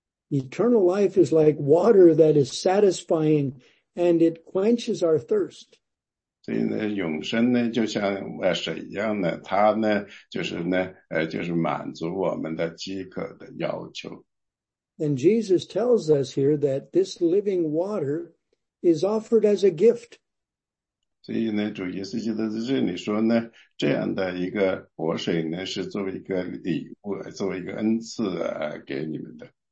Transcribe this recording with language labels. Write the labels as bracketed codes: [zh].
[en] Eternal life is like water that is satisfying and it quenches our thirst. [zh] 所以呢,永生呢,就像水一样呢,它呢,就是满足我们的饥渴的要求。 [en] And Jesus tells us here that this living water is offered as a gift. [zh] 所以呢,主耶稣基督在这里说呢,这样的一个活水呢,是作为一个礼物,作为一个恩赐给你们的。